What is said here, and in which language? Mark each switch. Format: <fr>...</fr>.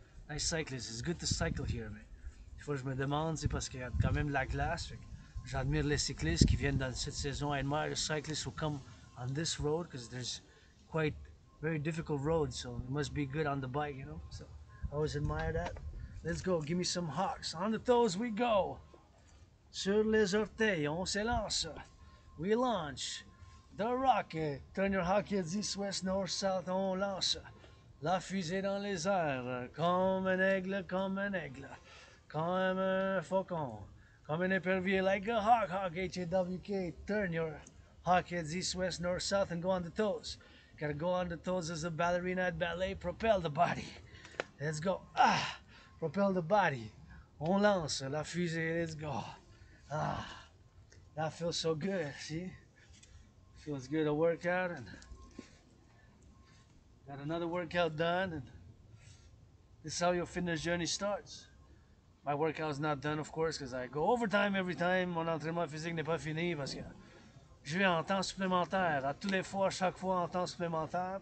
<en>Nice cyclist, it's good to cycle here, man.</en> <fr>Des fois, je me demande, c'est parce qu'il y a quand même la glace. J'admire les cyclistes qui viennent dans cette saison.</fr> <en>I admire the cyclists who come on this road, because there's quite very difficult roads, so it must be good on the bike, you know? So, I always admire that. Let's go, give me some hawks. On the toes, we go.</en> <fr>Sur les orteils, on se lance.</fr> <en>We launch. The rocket, turn your hockey east, west, north, south,</en> <fr>on lance la fusée dans les airs, comme un aigle, comme un aigle, comme un faucon, comme un épervier,</fr> <en>like a hawk, hawk, H-A-W-K, turn your hockey east, west, north, south, and go on the toes. Gotta go on the toes as a ballerina at ballet, propel the body. Let's go, ah, propel the body,</en> <fr>on lance la fusée,</fr> <en>let's go, ah, That feels so good, see? Feels good to work out and got another workout done, and this is how your fitness journey starts. My workout's not done, of course, because I go overtime every time.</en> <fr>Mon entraînement physique n'est pas fini parce que je vais en temps supplémentaire. À tous les fois, à chaque fois, en temps supplémentaire.</fr>